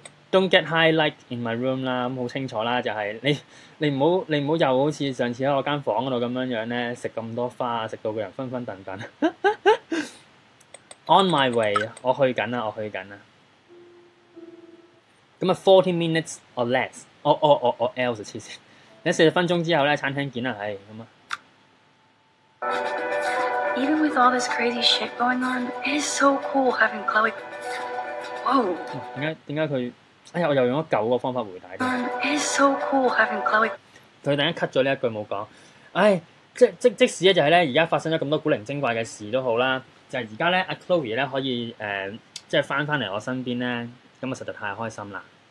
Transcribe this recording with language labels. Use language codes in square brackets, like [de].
[en] Don't get high like in my room [yue] 啦，咁好清楚啦，就係、是、你唔好又好似上次喺我間房嗰度咁樣樣咧，食咁多花，食到個人昏昏頓頓。 [en] On my way， [yue] 我去緊啦，我去緊啦。咁啊 ， [en] 40 minutes or less， [yue] 我 else 黐線。你40分鐘之後咧，餐廳見啦，係咁啊。 [en] Even with all this crazy shit going on, it is so cool having Chloe. Whoa！ [yue] 點解佢？哎呀，我又用咗舊個方法回答。 [en] It is so cool having Chloe。 [yue] 佢突然間 cut 咗呢一句冇講。哎，即使咧就係咧，而家發生咗咁多古靈精怪嘅事都好啦。就係而家咧，阿 Chloe 咧可以即系翻翻嚟我身邊咧，咁啊實在太開心啦